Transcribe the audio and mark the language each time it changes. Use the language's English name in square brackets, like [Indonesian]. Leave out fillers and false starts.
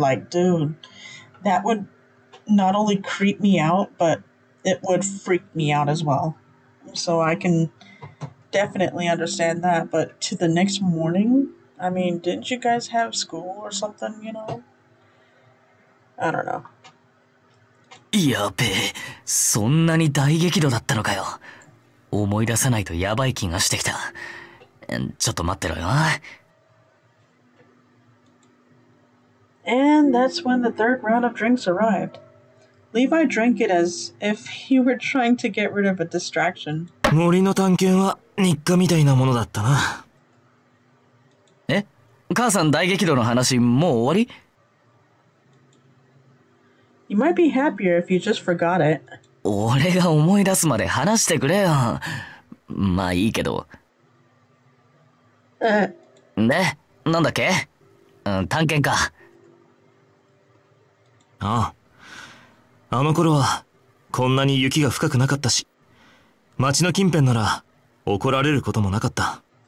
[English] Like, dude, that would not only creep me out, but it would freak me out as well. So I can definitely understand that. But to the next morning, I mean, didn't you guys have school or something, you know? I don't know. [Japanese] やべえ、そんなに大激怒だったのかよ。思い出さないとやばい気がしてきた。ちょっと待ってろよ。 [English] And that's when the third round of drinks arrived. Levi drank it as if he were trying to get rid of a distraction. [Japanese] 森の探検は日課みたいなものだったな。え？母さん大激怒の話もう終わり？ [English] You might be happier if you just forgot it. [Japanese] 俺が思い出すまで話してくれよ。まあいいけど。で、なんだっけ？探検か。ああ。あの頃は、こんなに雪が深くなかったし、町の近辺なら、怒られることもなかった。